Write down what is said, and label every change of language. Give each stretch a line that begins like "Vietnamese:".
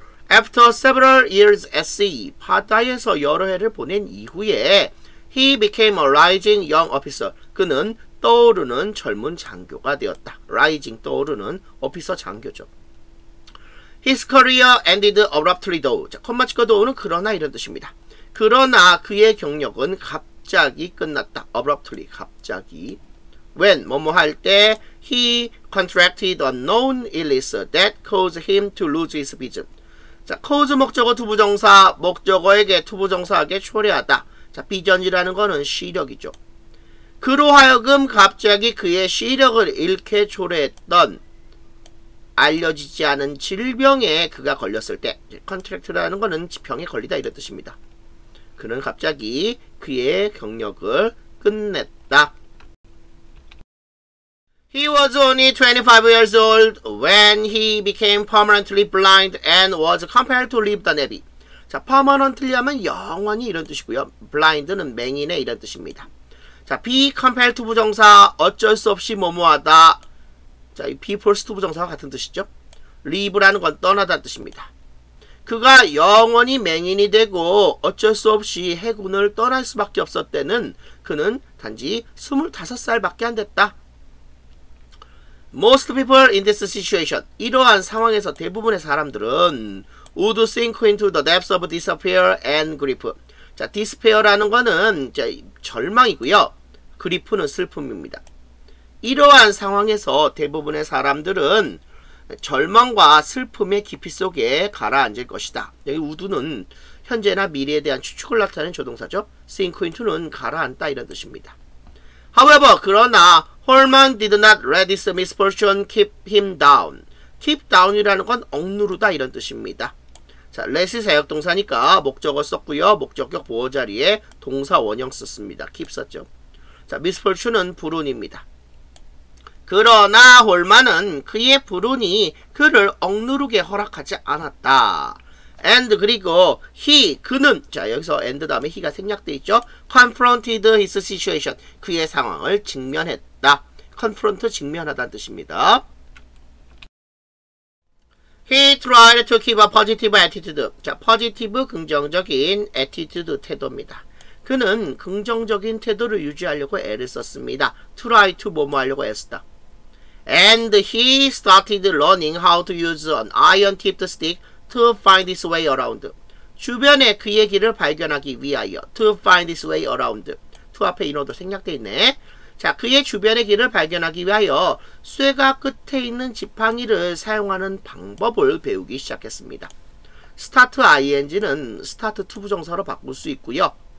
English: After several years at sea,
Korean: 바다에서 여러 해를 보낸 이후에
English: he became a rising young officer.
Korean: 그는 떠오르는 젊은 장교가 되었다.
English: rising,
Korean: 떠오르는
English: officer
Korean: 장교죠.
English: His career ended abruptly though.
Korean: 자, 콤마 찍어 도우는 그러나 이런 뜻입니다. 그러나 그의 경력은 갑자기 끝났다. abruptly, 갑자기.
English: when,
Korean: 뭐뭐 할 때,
English: he contracted a known illness that caused him to lose his vision.
Korean: 자, cause 목적어 to 부정사, 목적어에게 to 부정사하게 초래하다. 자, vision이라는 거는 시력이죠. 그로 하여금 갑자기 그의 시력을 잃게 초래했던 알려지지 않은 질병에 그가 걸렸을 때, contract라는 거는 병에 걸리다 이런 뜻입니다. 그는 갑자기 그의 경력을 끝냈다.
English: He was only 25 years old when he became permanently blind and was compelled to leave the Navy.
Korean: 자, permanently 하면 영원히 이런 뜻이고요. blind는 맹인의 이런 뜻입니다. 자,
English: be compelled to
Korean: 부정사, 어쩔 수 없이 뭐뭐하다. 자, 이
English: be forced to
Korean: 부정사와 같은 뜻이죠. leave라는 건 떠나다는 뜻입니다. 그가 영원히 맹인이 되고 어쩔 수 없이 해군을 떠날 수밖에 없었대는 그는 단지 25살밖에 안 됐다.
English: Most people in this situation,
Korean: 이러한 상황에서 대부분의 사람들은
English: would sink into the depths of despair and grief.
Korean: 자, despair라는 거는 이제 절망이고요. grief는 슬픔입니다. 이러한 상황에서 대부분의 사람들은 절망과 슬픔의 깊이 속에 가라앉을 것이다. 여기 would는 현재나 미래에 대한 추측을 나타내는 조동사죠.
English: sink into
Korean: 는 가라앉다 이런 뜻입니다.
English: However,
Korean: 그러나
English: Holman did not let this misfortune keep him down. keep down
Korean: 이라는 건 억누르다 이런 뜻입니다. 자, let이 사역동사니까 목적어 썼고요. 목적격 보호자리에 동사 원형 썼습니다. keep 썼죠. 자, misfortune은 불운입니다. 그러나 홀만은 그의 불운이 그를 억누르게 허락하지 않았다. And 그리고 he, 그는, 자 여기서 and 다음에 he가 생략되어 있죠.
English: confronted his situation,
Korean: 그의 상황을 직면했다. confront, 직면하다는 뜻입니다.
English: He tried to keep a positive attitude. 자, positive,
Korean: 긍정적인
English: attitude,
Korean: 태도입니다. 그는 긍정적인 태도를 유지하려고 애를 썼습니다. try to 뭐뭐 하려고 애쓰다.
English: And he started learning how to use an iron-tipped stick to find his way around.
Korean: 주변에 그의 길을 발견하기 위하여.
English: To find his way around.
Korean: To 앞에 인어도 생략되어 있네. 자, 그의 주변의 길을 발견하기 위하여 쇠가 끝에 있는 지팡이를 사용하는 방법을 배우기 시작했습니다. Start ing는
English: start to
Korean: 부정사로 바꿀 수 있고요.